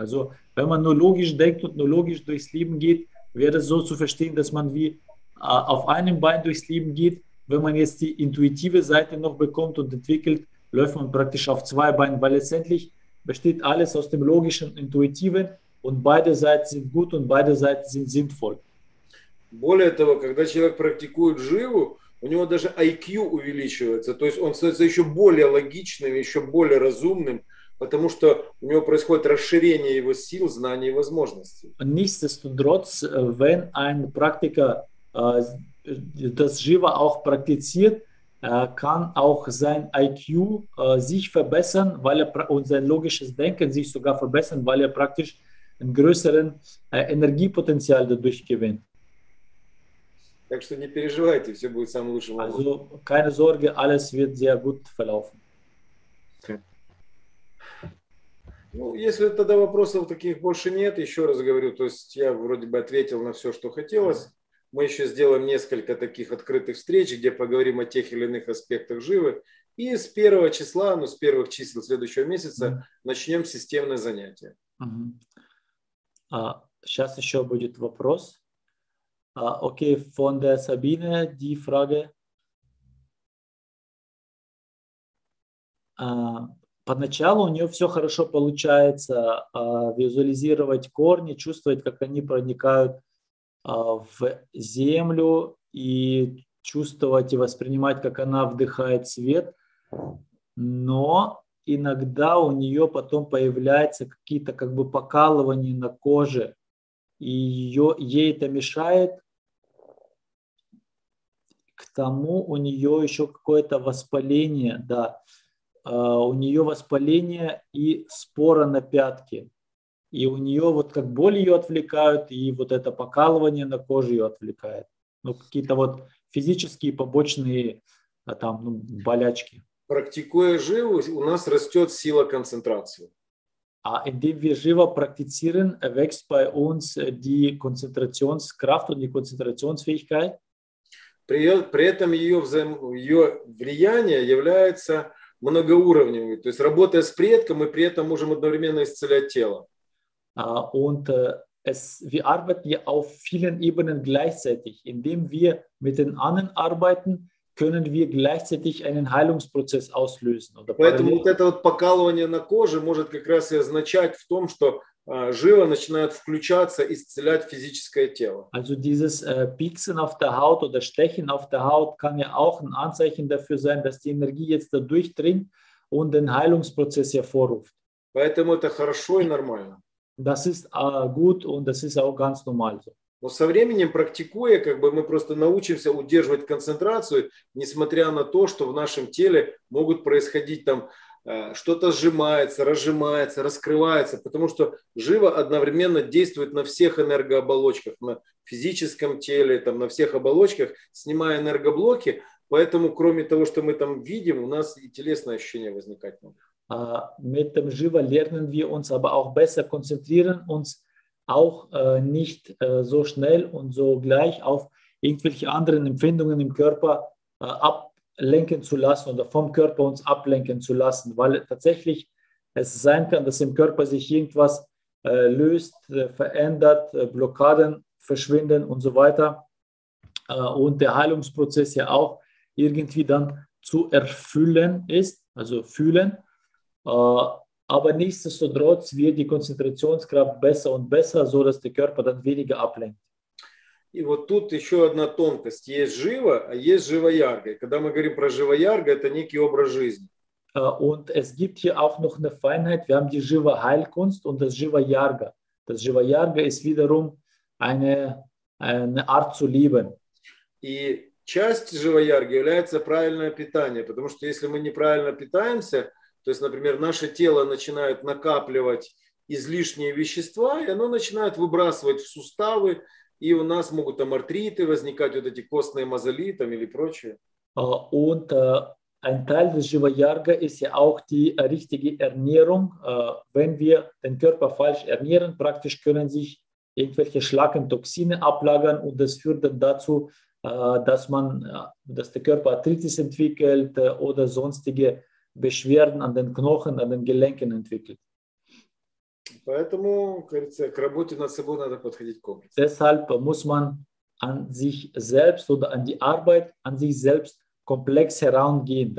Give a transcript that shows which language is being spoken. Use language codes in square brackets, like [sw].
[de] Also wenn man nur logisch denkt und nur logisch durchs Leben geht, wäre es so zu verstehen, dass man wie auf einem Bein durchs Leben geht. Wenn man jetzt die intuitive Seite noch bekommt und entwickelt, läuft man praktisch auf zwei Beinen, weil letztendlich besteht alles aus dem logischen und intuitiven und beide Seiten sind gut und beide Seiten sind sinnvoll. [ru] Более того, когда человек практикует Живу, у него даже IQ увеличивается, то есть он становится еще более логичным, еще более разумным, потому что у него происходит расширение его сил, знаний и возможностей. [de] Nichtsdestotrotz, wenn ein Praktiker das Jiva auch praktiziert, kann auch sein IQ sich verbessern, weil er, und sein logisches Denken sich sogar verbessern, weil er praktisch ein größeres Energiepotenzial dadurch gewinnt. [ru] Так что не переживайте, все будет самым лучшим образом. [de] Also, keine Sorge, alles wird sehr gut verlaufen. Okay. [ru] Ну, если тогда вопросов таких больше нет, еще раз говорю, то есть я вроде бы ответил на все, что хотелось. Мы еще сделаем несколько таких открытых встреч, где поговорим о тех или иных аспектах Живы. И с первого числа, ну, с первых чисел следующего месяца начнем системное занятие. А сейчас еще будет вопрос. [de] Okay, von der Sabine die Frage. [ru] Поначалу у нее все хорошо получается визуализировать корни, чувствовать, как они проникают в землю и чувствовать и воспринимать, как она вдыхает свет. Но иногда у нее потом появляются какие-то как бы покалывания на коже, и ей это мешает. К тому у нее еще какое-то воспаление, да. У нее воспаление и споры на пятке. И у нее вот как боль ее отвлекают, и вот это покалывание на коже ее отвлекает. Ну, какие-то вот физические побочные там, ну, болячки. Практикуя живу, у нас растет сила концентрации. [de] А indem wir [ru] живо практицируем, [de] wächst bei uns die Konzentrationskraft und die Konzentrationsfähigkeit. [ru] При этом ее влияние является многоуровневым. То есть работая с предком, мы при этом можем одновременно исцелять тело. [de] Und wir arbeiten ja auf vielen Ebenen gleichzeitig. Indem wir mit den anderen arbeiten, können wir gleichzeitig einen Heilungsprozess auslösen. [ru] Поэтому вот это вот покалывание на коже может как раз и означать в том, что жила начинает включаться, исцелять физическое тело. [de] Also dieses Pieksen auf der Haut oder Stechen auf der Haut kann ja auch ein Anzeichen dafür sein, dass die Energie jetzt da durchdringt und den Heilungsprozess hervorruft. [ru] Поэтому это хорошо и нормально. [de] Das ist gut und das ist auch ganz normal. [ru] Но со временем, практикуя, как бы мы просто научимся удерживать концентрацию, несмотря на то, что в нашем теле могут происходить там что-то сжимается, разжимается, раскрывается, потому что живо одновременно действует на всех энергооболочках, на физическом теле, там, на всех оболочках, снимая энергоблоки. Поэтому, кроме того, что мы там видим, у нас и телесное ощущение возникает. [de] Mit dem Jiva lernen wir uns aber auch besser konzentrieren, uns auch nicht so schnell und so gleich auf irgendwelche anderen Empfindungen im Körper ablenken zu lassen oder vom Körper uns ablenken zu lassen, weil tatsächlich es sein kann, dass im Körper sich irgendwas löst, verändert, Blockaden verschwinden und so weiter und der Heilungsprozess ja auch irgendwie dann zu erfüllen ist, also fühlen. Aber nichtsdestotrotz wird die Konzentrationskraft besser und besser, so dass der Körper dann weniger ablenkt. [ru] И вот тут еще одна тонкость: есть живо, а есть живоярга. Когда мы говорим про живоярга, это некий образ жизни. [de] Und es gibt hier auch noch eine Feinheit. Wir haben die Jiva-Heilkunst und das Jiva-Yarga. Das Jiva-Yarga ist wiederum eine Art zu leben. [ru] И часть живоярги является правильное питание, потому что если мы неправильно питаемся, то есть, например, наше тело начинает накапливать излишние вещества, и оно начинает выбрасывать в суставы, и у нас могут там артриты возникать, вот эти костные мозоли там или прочее. [de] Und ein Teil des Jiva-Yarga ist ja auch die richtige Ernährung. Wenn wir den Körper falsch ernähren, praktisch können sich irgendwelche Schlackentoxine ablagern und das führt dann dazu, dass der Körper Arthritis entwickelt oder sonstige Beschwerden an den Knochen, an den Gelenken entwickelt. [ru] Поэтому, кажется, к работе над собой надо подходить комплексно. [de] Deshalb muss man an sich selbst oder an die Arbeit an sich selbst komplex herangehen.